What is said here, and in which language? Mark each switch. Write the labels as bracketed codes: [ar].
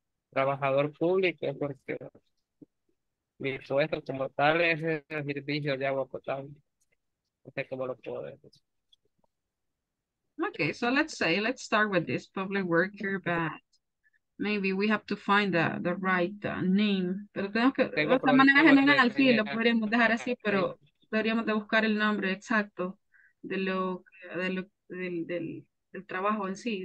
[es] Trabajador público, porque mi puesto como tal es el servicio de agua potable. No sé cómo lo puedo decir. [en] Okay, so let's start with this public worker, but maybe we have to find the right name. [es] Pero tenemos que, de esta manera general, sí, lo podríamos dejar así, pero deberíamos de buscar el nombre exacto del trabajo en sí.